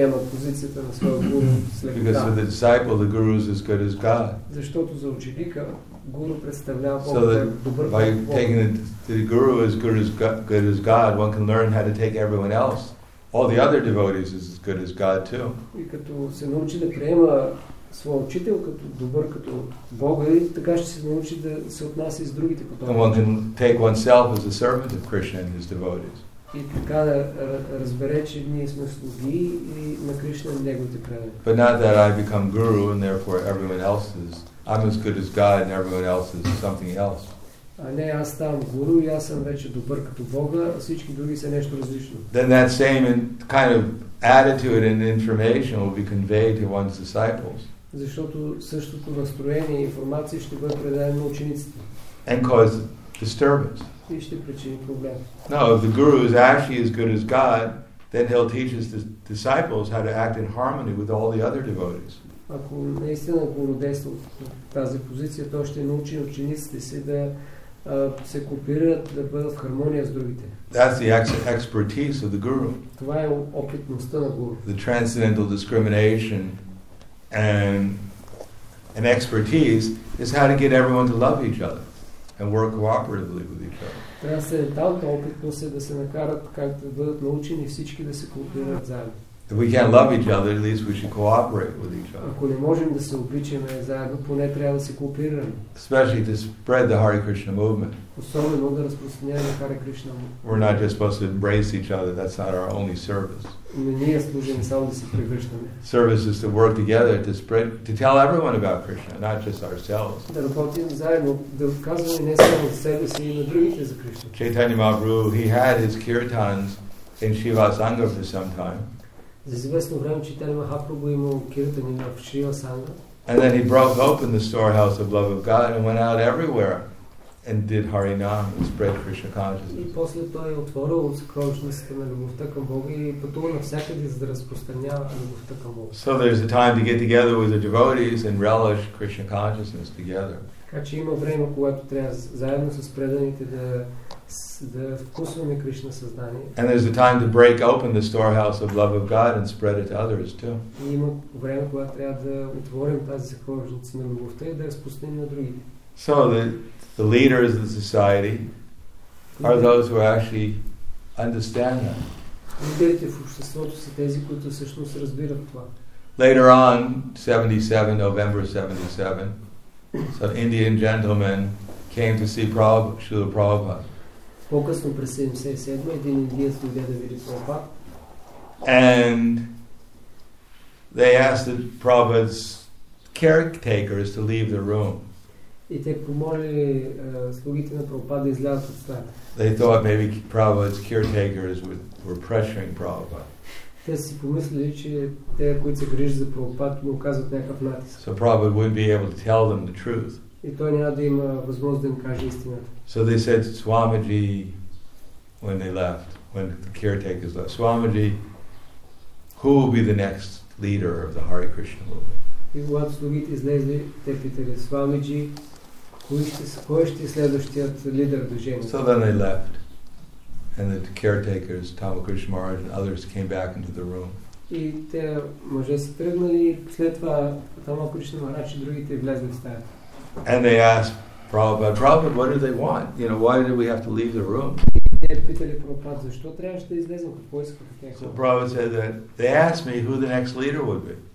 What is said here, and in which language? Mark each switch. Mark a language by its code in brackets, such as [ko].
[en] Because for the disciple, the guru is as good as God. So that by taking the guru as good as God, one can learn how to take everyone else. All the other devotees is as good as God too. [bg] И като се научи да приема своя учител като добър като Бога, и така ще се научи да се отнася и с другите като. [en] And one can take oneself as a servant of Krishna and his devotees. [bg] И така да разбере, че ние сме слуги и на Кришна и неговите предани. [en] But not that I become guru and therefore everyone else is, I'm as good as God and everyone else is something else. [bg] А не, аз ставам гуру и аз съм вече добър като Бога, а всички други са нещо различно. [en] Then that same kind of attitude and information will be conveyed to one's disciples. [bg] Защото същото настроение и информация ще бъде предадено на учениците. [en] And cause disturbance. [bg] И ще причини проблем. [en] No, if the guru is actually as good as God, then he'll teach his disciples how to act in harmony with all the other devotees. [bg] Ако наистина гуру действа от тази позиция, то ще научи учениците си да се копират да бъдат в хармония с другите. [en] That's the expertise of the guru. [bg] Това е опитността на гуру. [en] The transcendental discrimination and expertise is how to get everyone to love each other and work cooperatively with each other. [bg] Трансценденталната опитност е да се накарат, както да бъдат научени всички да се кооперират заедно. [en] If we can't love each other, at least we should cooperate with each other. [bg] Ако не можем да се обичаме заедно, поне трябва да се кооперираме. [en] Especially to spread the Hare Krishna movement. [bg] Особено да разпространяваме Hare Krishna. [en] We're not just supposed to embrace each other. That's not our only service. [bg] Не ние служим само да се привръщаме. [en] Service is to work together to spread, to tell everyone about Krishna, not just ourselves. [bg] Да работим заедно, да казваме не само себе си, но другите за Кришна. [en] Chaitanya Mahaprabhu, he had his kirtans in Shiva Sangha for some time. [bg] За известно време Чайтанья Махапрабху имал киртани на Шрива Санга. [en] And then he broke open the storehouse of love of God and went out everywhere and did Harinam and spread Krishna consciousness. [bg] И после той отворил съкровищницата на любовта към Бога и пътувал навсякъде, за да разпространява любовта към Бога. [en] So there's a time to get together with the devotees and relish Krishna consciousness together. [bg] Така че има време, когато трябва заедно с преданите да вкусваме Кришна съзнание. [en] And there's a time to break open the storehouse of love of God and spread it to others too. [bg] И има време, когато трябва да отворим тази съкровищница на любовта и да разпространим на другите. [en] So the leaders of the society are those who actually understand that. [bg] Лидерите в обществото са тези, които всъщност разбират това. [en] Later on, 77, November 77, some Indian gentlemen came to see Srila Prabhupada. [bg] По-късно през 77 един индиец дойде да види Прабхупад. [en] And they asked the Prabhupada's caretakers to leave the room. [bg] И те помоли слугите на Прабхупад да излязат от стаята. [en] They thought maybe Prabhupada's caretakers were pressuring Prabhupada. [bg] Те си помислили, че те, които се грижат за Прабхупад, му оказват някакъв натиск. [en] So Prabhupada wouldn't be able to tell them the truth. [bg] И той няма да има възможност да им каже истината. [en] So they said to Swamiji when they left, when the caretakers left, Swamiji, who will be the next leader of the Hare Krishna movement? [bg] И когато слугите излезли, те питали Swamiji, кой ще е следващият лидер в движението? [en] So then they left. And the caretakers, Tamakrishna Maharaj and others, came back into the room. [bg] И те мъже се тръгнали, след това Tamakrishna Maharaj и другите влезли в стаята. [en] And they asked Prabhupada, what do they want? You know, why do we have to leave the room? So Prabhupada said that they asked me who the next leader would be.